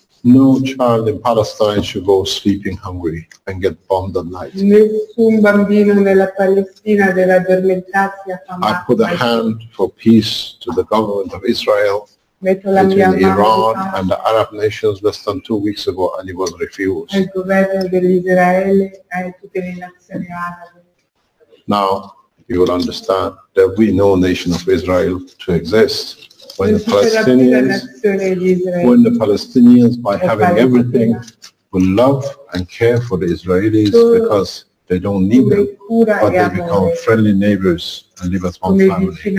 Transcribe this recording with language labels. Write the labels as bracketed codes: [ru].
[en] No child in Palestine should go sleeping hungry and get bombed at night. [it] Nessun bambino nella Palestina deve addormentarsi affamato. [en] I put a hand for peace to the government of Israel between Iran and the Arab nations less than 2 weeks ago, and it was refused. [it] Il governo dell'Israele e tutte le nazioni arabe. [en] Now you will understand that we know nation of Israel to exist. When the Palestinians, by having everything, will love and care for the Israelis because they don't need them, but they become friendly neighbors and live as one family.